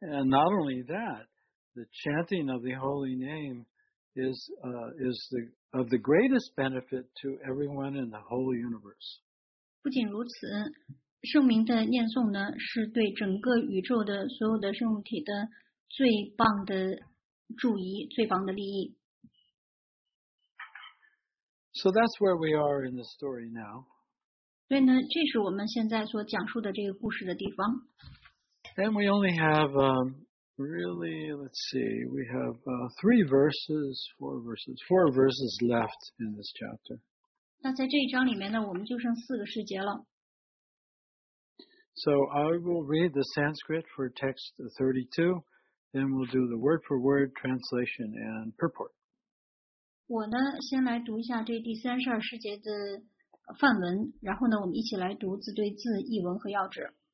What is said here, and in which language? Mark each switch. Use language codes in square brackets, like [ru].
[en] And not only that, the chanting of the holy name is the of the greatest benefit to everyone in the whole universe. [zh] 不仅如此，圣名的念诵呢，是对整个宇宙的所有的生物体的最棒的注意，最棒的利益。 [en] So that's where we are in the story now. [zh] 所以呢，这是我们现在所讲述的这个故事的地方。 [en] And we only have, really, let's see, we have four verses left in this chapter. [zh] 那在这一章里面呢，我们就剩四个世界了。 [en] So I will read the Sanskrit for text 32, then we'll do the word-for-word translation and purport. [zh] 我呢，先来读一下这第三十二世界的梵文，然后呢，我们一起来读字对字译文和要旨。